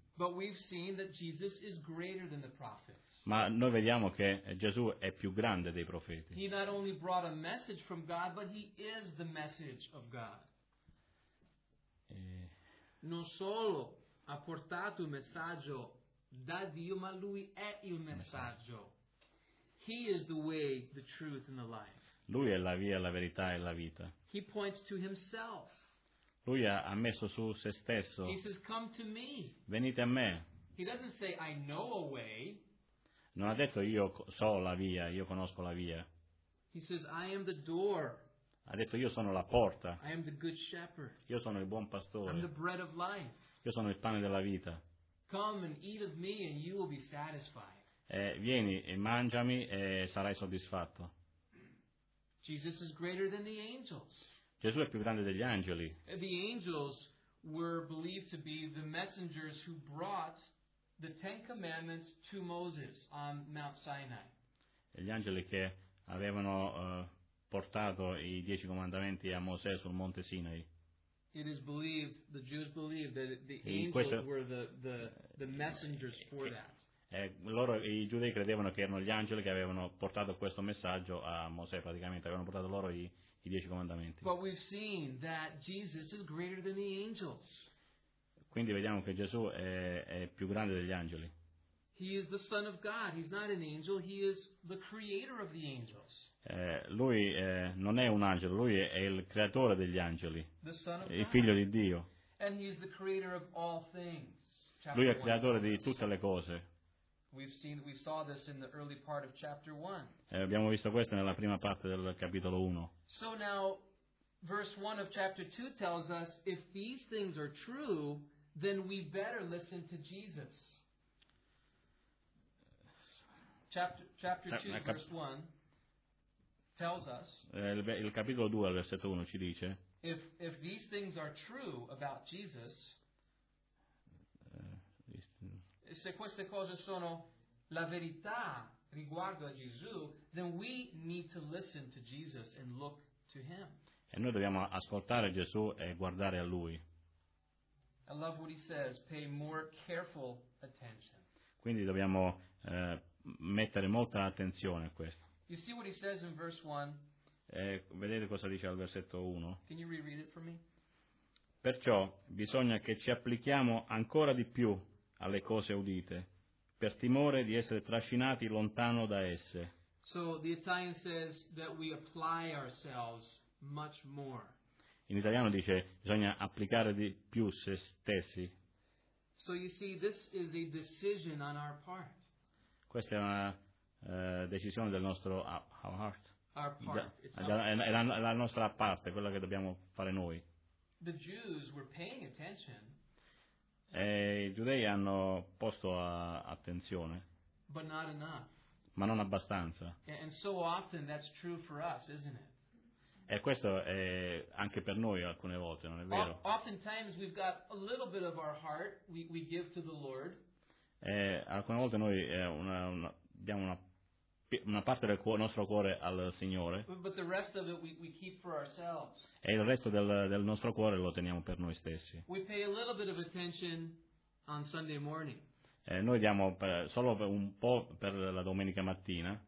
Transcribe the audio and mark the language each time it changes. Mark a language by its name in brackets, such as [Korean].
[English] But we've seen that Jesus is greater than the prophets. [Italian] Ma noi vediamo che Gesù è più grande dei profeti. [English] He not only brought a message from God, but he is the message of God. [Italian] Non solo ha portato un messaggio da Dio, ma lui è il messaggio. [English] He is the way, the truth, and the life. [Italian] Lui è la via, la verità e la vita. [English] He points to himself. [Italian] Lui ha messo su se stesso. [English] He says, come to me. [Italian] Venite a me. [English] He doesn't say, I know a way. [Italian] Non ha detto, io so la via, io conosco la via. [English] He says, I am the door. [Italian] Ha detto, io sono la porta. [English] I am the good shepherd. [Italian] Io sono il buon pastore. [English] I'm the bread of life. [Italian] Io sono il pane della vita. [English] Come and eat of me and you will be satisfied. [Italian] Vieni e mangiami e sarai soddisfatto. [English] Jesus is greater than the angels. [Italian] Gesù è più grande degli angeli. [English] The angels were believed to be the messengers who brought the Ten Commandments to Moses on Mount Sinai. [Italian] Gli angeli che avevano portato i Dieci Comandamenti a Mosè sul Monte Sinai. [English] It is believed, the Jews believe that the angels [Italian] questo, [English] were the messengers for that. [Italian] Loro, i giudei credevano che erano gli angeli che avevano portato questo messaggio a Mosè, praticamente avevano portato loro i Dieci Comandamenti. [English] But we've seen that Jesus is greater than the angels. [Italian] Quindi vediamo che Gesù è più grande degli angeli. [English] He is the Son of God. He's not an angel. He is the creator of the angels. [Italian] Lui non è un angelo, lui è il creatore degli angeli, [English] the Son of God. [Italian] Il figlio di Dio. [English] And he is the creator of all things. [Italian] Lui è il creatore di tutte le cose. [English] We saw this in the early part of chapter 1. [Italian] Abbiamo visto questo nella prima parte del capitolo 1. [English] So now, verse 1 of chapter 2 tells us, if these things are true, then we better listen to Jesus. Chapter 2, verse 1, tells us, [Italian] il capitolo 2, al versetto 1, ci dice, [English] if these things are true about Jesus, [Italian] se queste cose sono la verità riguardo a Gesù, [English] then we need to listen to Jesus and look to him. [Italian] E noi dobbiamo ascoltare Gesù e guardare a lui. [English] I love what he says, pay more careful attention. [Italian] Quindi dobbiamo mettere molta attenzione a questo. [English] You see what he says in verse 1? [Italian] Vedete cosa dice al versetto 1? [English] Can you reread it for me? [Italian] Perciò bisogna che ci applichiamo ancora di più alle cose udite, per timore di essere trascinati lontano da esse. [English] So the Italian says that we apply ourselves much more. [Italian] In italiano dice bisogna applicare di più se stessi. [English] So you see, this is a decision on our part. [Italian] Questa è una decisione del nostro heart. [English] Our part. [Italian] È la nostra parte, quella che dobbiamo fare noi. [English] The Jews were paying attention. [Italian] E i giudei hanno posto attenzione. [English] But not enough. [Italian] Ma non abbastanza. [English] And so often that's true for us, isn't it? [Italian] E questo è anche per noi alcune volte, non è vero? [English] Oftentimes we've got a little bit of our heart we give to the Lord. [Italian] E alcune volte noi diamo una parte del nostro cuore al Signore. [English] But the rest of it we keep for ourselves. [Italian] E il resto del nostro cuore lo teniamo per noi stessi. [English] We pay a little bit of attention on Sunday morning. [Italian] Noi diamo solo per un po' per la domenica mattina.